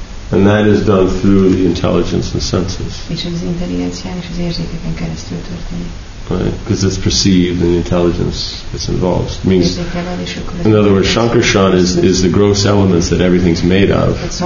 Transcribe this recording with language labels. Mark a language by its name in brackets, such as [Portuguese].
[English] And that is done through the intelligence and senses. [Hungarian] És az intelligencián és az érzékeken keresztül történik. [English] Because it's perceived and the intelligence that's involved. Means, in other words, Shankarshan is the gross elements that everything's made of.